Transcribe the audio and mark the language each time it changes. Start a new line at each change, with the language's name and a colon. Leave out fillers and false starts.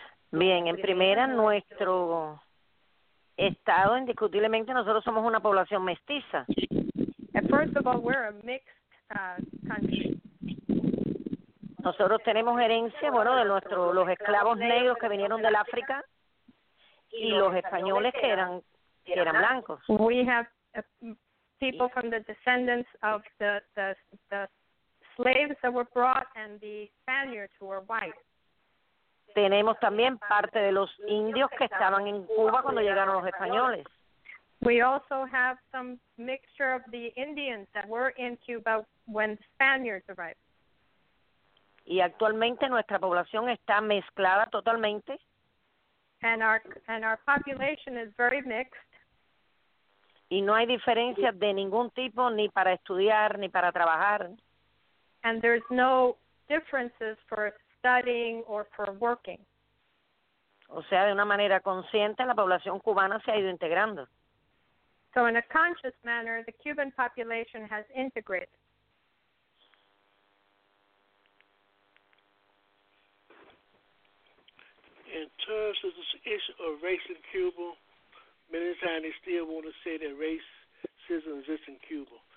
Spanish: Bien, en primera, nuestro estado, indiscutiblemente, nosotros somos una población mestiza.
English: First of all, we're a mixed country.
Spanish: Nosotros tenemos herencia, bueno, de los esclavos negros que vinieron del África y los españoles que eran blancos.
English: We have people from the descendants of the slaves that were brought and the Spaniards who were white.
Spanish: Tenemos también parte de los indios que estaban en Cuba cuando llegaron los españoles.
English: We also have some mixture of the Indians that were in Cuba when the Spaniards arrived.
Spanish: Y actualmente nuestra población está mezclada totalmente.
English: And our population is very mixed.
Spanish: Y no hay diferencias de ningún tipo, ni para estudiar, ni para trabajar.
English: And there's no differences for studying or for working.
Spanish: O sea, de una manera consciente, la población cubana se ha ido integrando.
English: So in a conscious manner, the Cuban population has integrated. In terms of the issue of race in Cuba, many times they still want to say that racism exists in Cuba.